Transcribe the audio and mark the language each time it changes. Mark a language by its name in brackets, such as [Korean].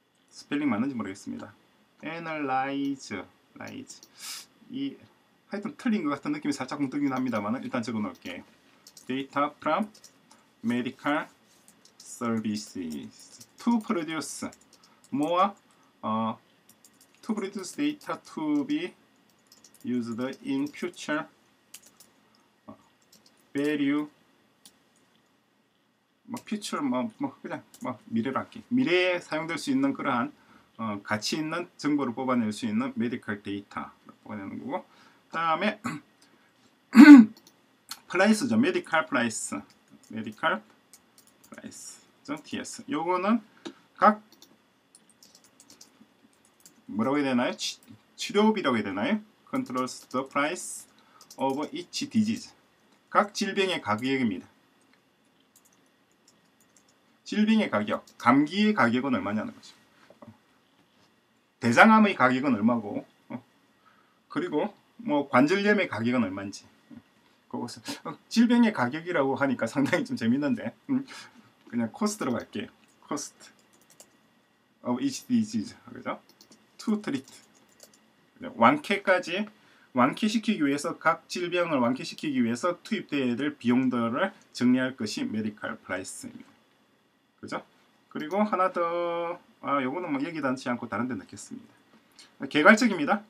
[Korean] 스펠링 맞는지 모르겠습니다. analyze. 이 하여튼 틀린 것 같은 느낌이 살짝 뭉뚱긴 합니다만 일단 적어놓을게요. [English] Data from medical services to produce more to produce data to be used in future value [Korean] 뭐 future 뭐 그냥 뭐 미래로 할게. 미래에 사용될 수 있는 그러한 가치 있는 정보를 뽑아낼 수 있는 medical data 뽑아내는 거고 다음에 플라이스죠. 메디컬 플라이스. 메디컬 플라이스. TS. 요거는 각 뭐라고 해야 되나요? 치료비라고 해야 되나요? [English] Controls the price of each disease. [Korean] 각 질병의 가격입니다. 질병의 가격, 감기의 가격은 얼마냐는 거죠. 대장암의 가격은 얼마고, 그리고 뭐 관절염의 가격은 얼마인지. 그것은 질병의 가격이라고 하니까 상당히 좀 재밌는데, 그냥 코스트로 갈게요. [English] Cost of each disease, [Korean] 그렇죠? [English] To treat. [Korean] 완쾌까지 완쾌시키기 위해서 각 질병을 완쾌시키기 위해서 투입되어야 될 비용들을 정리할 것이 메디컬 프라이스입니다. 그죠? 그리고 하나 더 요거는 뭐 얘기도 하지 않고 다른 데 넣겠습니다. 개괄적입니다.